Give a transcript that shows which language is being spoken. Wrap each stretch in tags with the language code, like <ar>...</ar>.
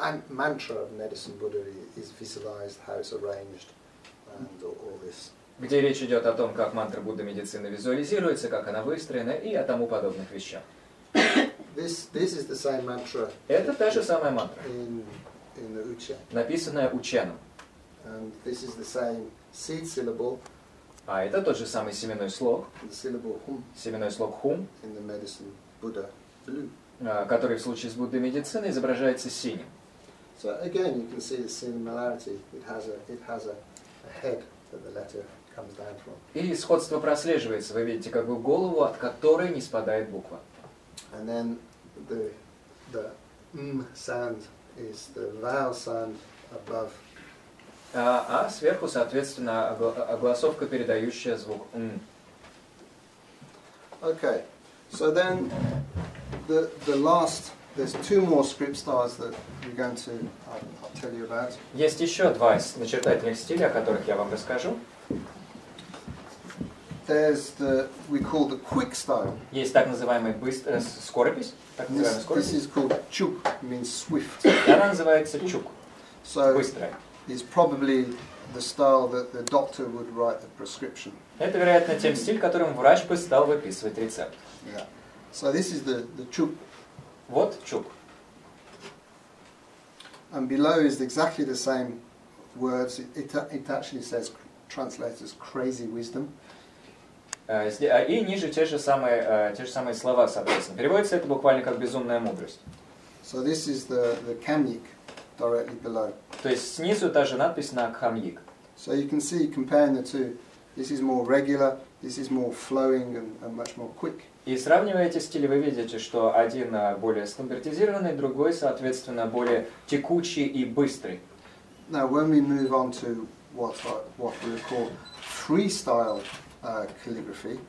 <en>Mantra of medicine Buddha is visualized, how it's arranged, and all this.</en> <ru>Где речь идет о том, как мантра Будды медицины визуализируется, как она выстроена и о тому подобных вещах.</ru> <en>This is the same mantra.</en> <ru>Это та же самая мантра.</ru> <en>In the Uchen.</en> <ru>Написанная Ученом.</ru> <en>And this is the same seed syllable.</en> <ru>А это тот же самый семенной слог.</ru> <en>The syllable hum.</en> <ru>Семенной слог хум.</ru> <en>In the medicine Buddha blue.</en> <ru>Который в случае с Буддой медицины изображается синим.</ru> <en>So again, you can see the similarity. It has a head that the letter comes down from.</en> <ru>И сходство прослеживается. Вы видите, как бы голову, от которой не спадает буква.</ru> <en>And then the sound is the vowel sound above.</en> <ru>А сверху, соответственно, огласовка, передающая звук «м».</ru> <en>Okay, so then the last, there's two more script styles that we're going to tell you about.</en> <ru>Есть еще два начертательных стиля, о которых я вам расскажу.</ru> <en>There's the we call the quick style.</en> <ru>Есть так называемый быстрый скоропись. Так называемый скоропись.</ru> <en>This is called chuk, means swift.</en> <ru>Она называется чук.</ru> <en>So</en> <ru>быстрая.</ru> <en>It's probably the style that the doctor would write the prescription.</en> <ru>Это вероятно тем стиль, которым врач бы стал выписывать рецепт.</ru> <en>Yeah. So this is the chuk.</en> <ru>Вот чук.</ru> <en>And below is exactly the same words. It actually says translated as crazy wisdom.</en> <ru>И ниже те же самые слова, соответственно. Переводится это буквально как безумная мудрость.</ru> <en>So this is the kamyik directly below.</en> <ru>То есть снизу та же надпись на кхамьик.</ru> <en>So you can see comparing the two. This is more regular, this is more flowing and much more quick.</en> <ru>И сравнивая эти стили, вы видите, что один более стандартизированный, другой, соответственно, более текучий и быстрый.</ru> <en>Now when we move on to what we call freestyle calligraphy.</en>